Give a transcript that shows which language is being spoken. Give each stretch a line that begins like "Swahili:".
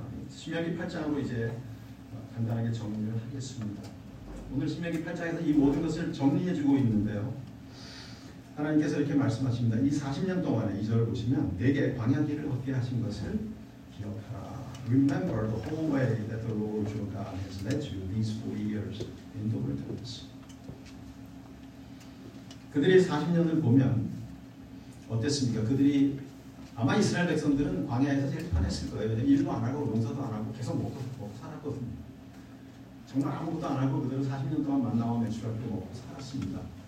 Korean: 신명기 8장으로 이제 간단하게 정리를 하겠습니다. 오늘 신명기 8장에서 이 모든 것을 정리해 주고 있는데요. 하나님께서 이렇게 말씀하십니다. 이 40년 동안에 2절을 보시면 내게 광야길을 걷게 하신 것을 기억하라.
English: Remember the whole way that the Lord your God has led you these 40 years in the wilderness.
Korean: 그들이 40년을 보면 어땠습니까? 그들이 아마 이스라엘 백성들은 광야에서 제일 편했을 거예요. 일도 안 하고 농사도 안 하고 계속 먹고 살았거든요. 정말 아무것도 안 하고 그대로 40년 동안 만나와 매출하고 먹고 살았습니다.